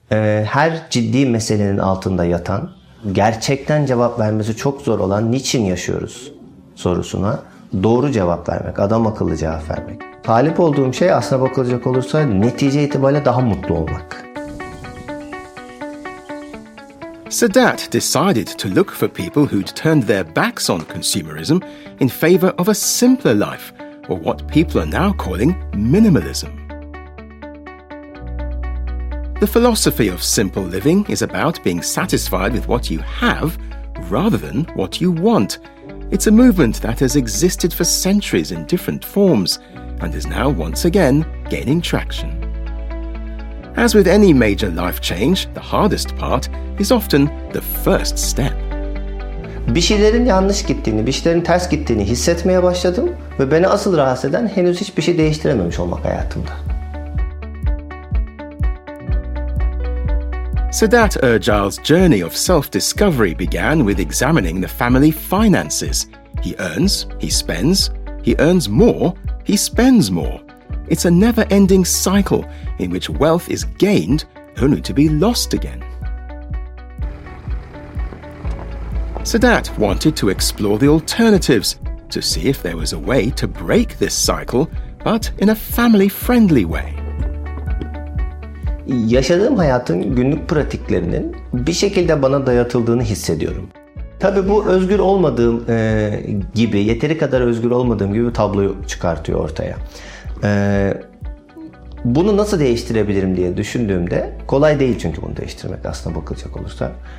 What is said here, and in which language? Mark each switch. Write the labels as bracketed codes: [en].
[tr] Her ciddi meselenin altında yatan, gerçekten cevap vermesi çok zor olan niçin yaşıyoruz sorusuna doğru cevap vermek, adam akıllı cevap vermek. Talip olduğum şey aslına bakılacak olursa netice itibariyle daha mutlu olmak. [en] Sadat decided to look for people who'd turned their backs on consumerism in favor of a simpler life, or what people are now calling minimalism. The philosophy of simple living is about being satisfied with what you have rather than what you want. It's a movement that has existed for centuries in different forms and is now once again gaining traction. As with any major life change, the hardest part is often the first step. [tr] Bir şeylerin yanlış gittiğini, bir şeylerin ters gittiğini hissetmeye başladım ve beni asıl rahatsız eden henüz hiçbir şey değiştirememiş olmak hayatımda. [en] Sadat Erjal's journey of self-discovery began with examining the family finances. He earns, he spends, he earns more, he spends more. It's a never-ending cycle in which wealth is gained only to be lost again. Sadat wanted to explore the alternatives to see if there was a way to break this cycle, but in a family-friendly way. [tr] Yaşadığım hayatın günlük pratiklerinin bir şekilde bana dayatıldığını hissediyorum. Tabii bu özgür olmadığım gibi, yeteri kadar özgür olmadığım gibi bir tabloyu çıkartıyor ortaya. Bunu nasıl değiştirebilirim diye düşündüğümde, kolay değil çünkü bunu değiştirmek aslında bakılacak olursa.